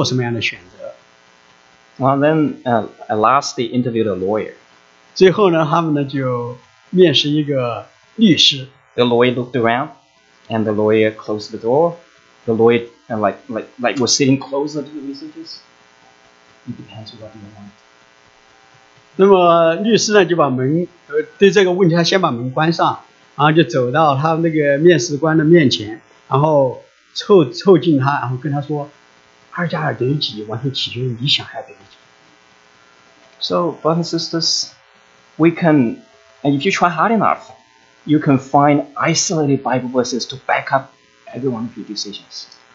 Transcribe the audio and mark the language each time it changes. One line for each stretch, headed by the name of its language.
Chinese: 那建筑师就说2+2等于4，但是同时呢，1+3也是等于4，1.5加2.5也等于4，所以呢，这取决于你要做什么样的选择。
English: Well, then at last they interviewed a lawyer.
Chinese: 最后呢，他们呢就面试一个律师。
English: The lawyer looked around, and the lawyer closed the door. The lawyer like was sitting closer to the researchers. It depends what you want.
Chinese: 那么律师呢就把门对这个问题他先把门关上，然后就走到他那个面试官的面前，然后凑近他，然后跟他说，2+2等于几，完全取决于你想要等于几。
English: So brothers and sisters, if you try hard enough, you can find isolated Bible verses to back up every one of your decisions.